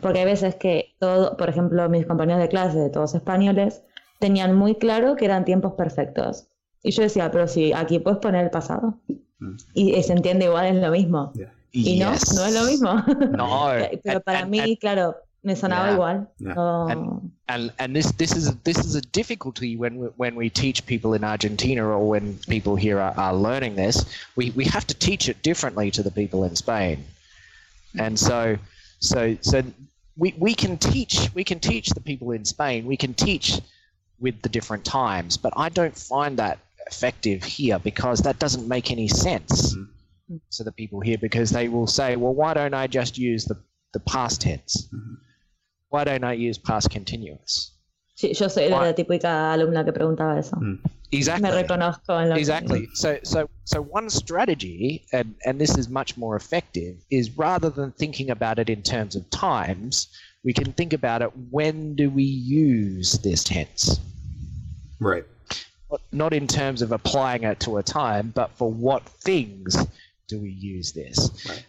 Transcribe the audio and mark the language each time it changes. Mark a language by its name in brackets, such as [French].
[Spanish] Porque hay veces que, todo, por ejemplo, mis compañeros de clase, todos españoles, tenían muy claro que eran tiempos perfectos. Y yo decía, pero si aquí puedes poner el pasado. Y se entiende igual, es lo mismo. Y no, yes. No es lo mismo. No. Pero para mí, claro, me sonaba igual. [English] Yeah. And this is a difficulty when we teach people in Argentina, or when people here are learning this. We have to teach it differently to the people in Spain. And so we can teach the people in Spain, we can teach with the different times, but I don't find that effective here, because that doesn't make any sense to the people here, because they will say, well, why don't I just use the past tense? Mm-hmm. Why don't I use past continuous? [Spanish] Sí, yo soy la típica alumna que preguntaba eso. Mm. [English] Exactly. [Spanish] Me reconozco en lo [English] exactly. [Spanish] Que... [English] So one strategy, and this is much more effective, is rather than thinking about it in terms of times, we can think about it, when do we use this tense? Right. Not in terms of applying it to a time, but for what things do we use this? Right.